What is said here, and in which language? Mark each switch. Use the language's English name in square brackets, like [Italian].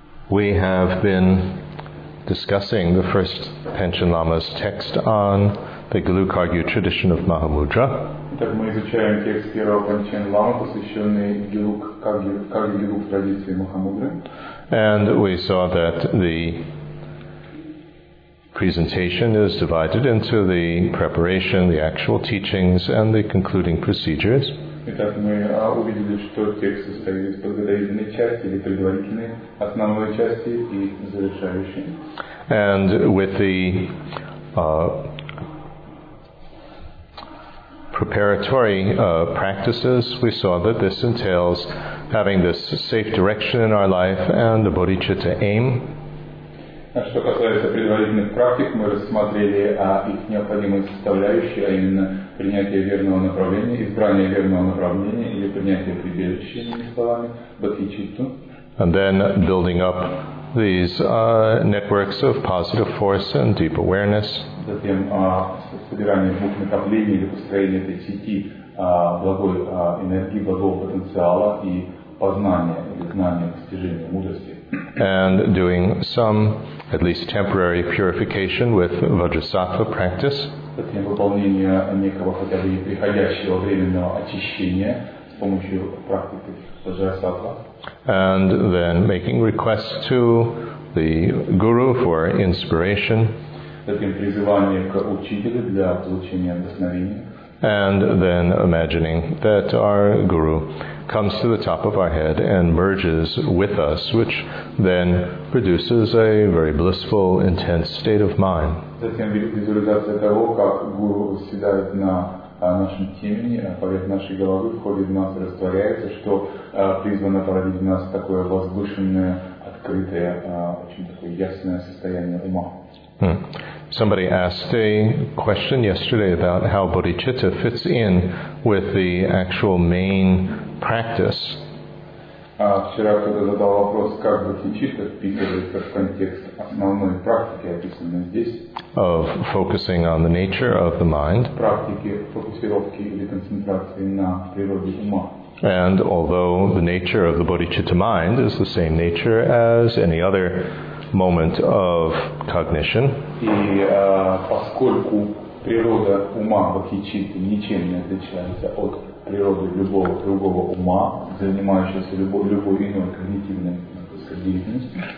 [English] We have been discussing the first Panchen Lama's text on the Gelugpa tradition of Mahamudra. [Russian] Так мы изучаем текст первого Панчен Лама, посвященный Гелугпа традиции Махамудры. [English] And we saw that the presentation is divided into the preparation, the actual teachings, and the concluding procedures. [Russian] Итак, мы увидели, что текст состоит из подготовительной части или предварительной основной части и завершающей. [English] And with the preparatory practices, we saw that this entails having this safe direction in our life and the bodhicitta aim. [Russian] Что касается предварительных практик, мы рассмотрели их необходимые составляющие, а именно принятие верного направления, избрание верного направления или принятие прибежища, иными словами, бодхичитту. [English] And then building up these networks of positive force and deep awareness. [Russian] Затем собирание двух накоплений или построение этой сети благой энергии, благого потенциала и познания или знания, достижения мудрости. [English] And doing some, at least temporary, purification with Vajrasattva practice. [Russian] Затем выполнение некого хотя бы приходящего временного очищения с помощью практики Vajrasattva. [English] And then making requests to the guru for inspiration. [Russian] Затем призывание к учителю для получения вдохновения. [English] And then imagining that our guru comes to the top of our head and merges with us, which then produces a very blissful, intense state of mind. [Russian] Затем визуализация того, как гуру восседает на нашем темени, поверх нашей головы, входит в нас и растворяется, что призвано породить в нас такое возвышенное, открытое, очень такое ясное состояние ума. [English] Somebody asked a question yesterday about how bodhicitta fits in with the actual main practice. [Russian] Вчера кто-то задал вопрос, как бодхичитта вписывается в контекст основной практики, описанной здесь. [English] Of focusing on the nature of the mind. [Russian] Практики фокусировки или концентрации на природе ума. [English] And although the nature of the bodhicitta mind is the same nature as any other moment of cognition. [Russian] И поскольку природа ума бодхичитты ничем не отличается от природы любого другого ума, занимающегося любой иной когнитивной деятельностью.